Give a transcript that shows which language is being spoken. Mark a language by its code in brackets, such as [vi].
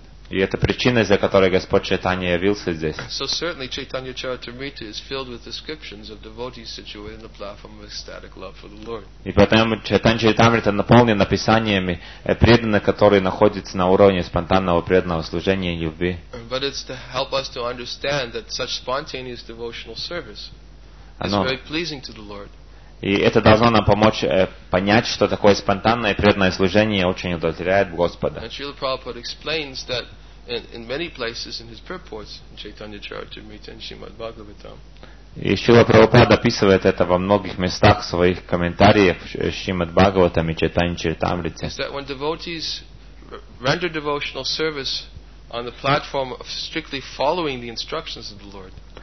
[ru] И это причина, из-за которой Господь Чайтанья явился здесь. [en] So certainly Chaitanya Charitamrita is filled with descriptions of devotees situated on the platform of ecstatic love for the Lord. [ru] И поэтому Чайтанья Чаритамрита наполнен описаниями преданных, которые находятся на уровне спонтанного преданного служения и любви. [en] But it's to help us to understand that such spontaneous devotional service is very pleasing to the Lord. [ru] И это должно нам помочь понять, что такое спонтанное преданное служение очень удовлетворяет Господа. [en] And Srila Prabhupada explains that in many places in his purports in Chaitanya Charitamrita and Srimad Bhagavatam. [ru] И Шрила Прабхупада описывает это во многих местах в своих комментариях Шримад Бхагаватам и Чайтанья Чаритамрите. [en] Is that when devotees render devotional service on the platform of strictly following the instructions of the Lord.